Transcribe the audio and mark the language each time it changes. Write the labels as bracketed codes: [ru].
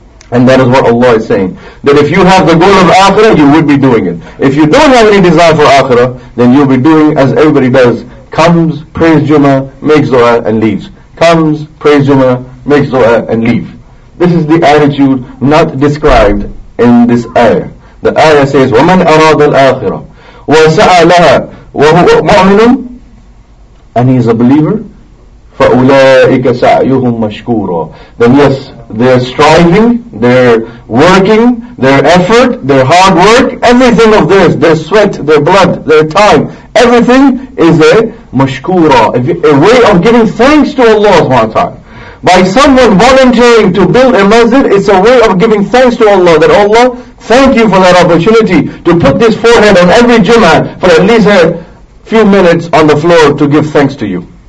[en] And that is what Allah is saying. That if you have the goal of Akhirah, you would be doing it. If you don't have any desire for Akhirah, then you'll be doing as everybody does. Comes, prays Jummah, makes dua and leaves. Comes, prays Jummah, makes dua and leave. This is the attitude not described in this ayah. The ayah says, [ar] وَمَنْ أَرَادَ الْآخِرَةِ وَسَعَى لَهَا وَهُوَ مُؤْمِنٌ, [en] and he is a believer, [ar] فَأُولَٰئِكَ سَعْيُهُمْ مَشْكُورًا. [en] Then yes, they're striving, they're working, their effort, their hard work, everything of theirs, their sweat, their blood, their time, everything is a mashkura, a way of giving thanks to Allah subhanahu wa ta'ala. By someone volunteering to build a masjid, it's a way of giving thanks to Allah, that Allah, thank you for that opportunity to put this forehead on every Jummah for at least a few minutes on the floor to give thanks to you.